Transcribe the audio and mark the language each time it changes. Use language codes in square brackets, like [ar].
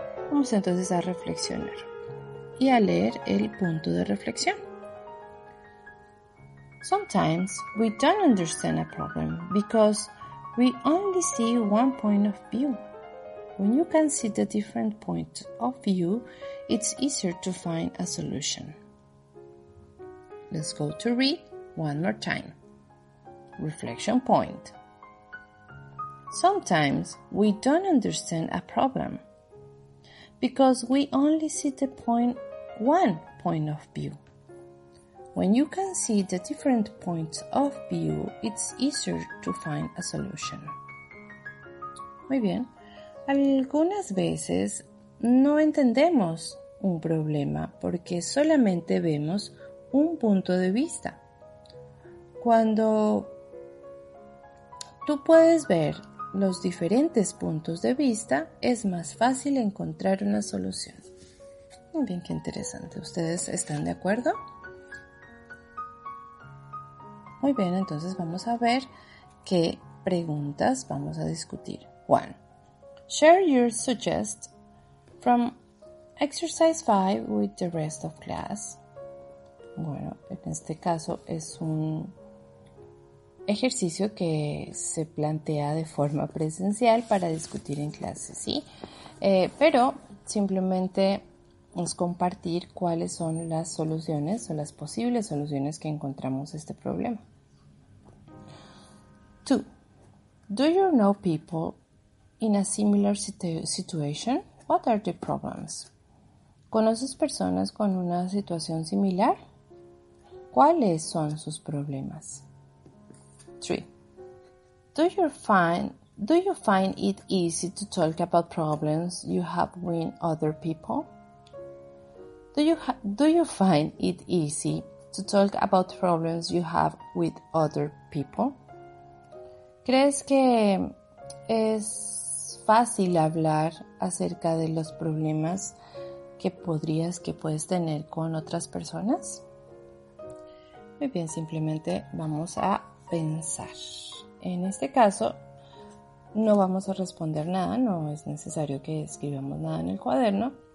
[es] Vamos entonces a reflexionar y a leer el punto de reflexión. [en] Sometimes we don't understand a problem because we only see one point of view. When you can see the different point of view, it's easier to find a solution. Let's go to read one more time. Reflection point. Sometimes we don't understand a problem because we only see the point, one point of view. When you can see the different points of view, it's easier to find a solution. [es] Muy bien. Algunas veces no entendemos un problema porque solamente vemos un punto de vista. Cuando tú puedes ver los diferentes puntos de vista, es más fácil encontrar una solución. Muy bien, qué interesante. ¿Ustedes están de acuerdo? Muy bien, entonces vamos a ver qué preguntas vamos a discutir. [en] One, share your suggest from exercise 5 with the rest of class. [es] Bueno, en este caso es un ejercicio que se plantea de forma presencial para discutir en clase, ¿sí? Pero simplemente es compartir cuáles son las soluciones o las posibles soluciones que encontramos a este problema. 2. [en] Do you know people in a similar situation? What are the problems? [es] ¿Conoces personas con una situación similar? ¿Cuáles son sus problemas? 3. [en] Do you find it easy to talk about problems you have with other people? Do you find it easy to talk about problems you have with other people? [es] ¿Crees que es fácil hablar acerca de los problemas que puedes tener con otras personas? Muy bien, simplemente vamos a pensar. En este caso, no vamos a responder nada, no es necesario que escribamos nada en el cuaderno.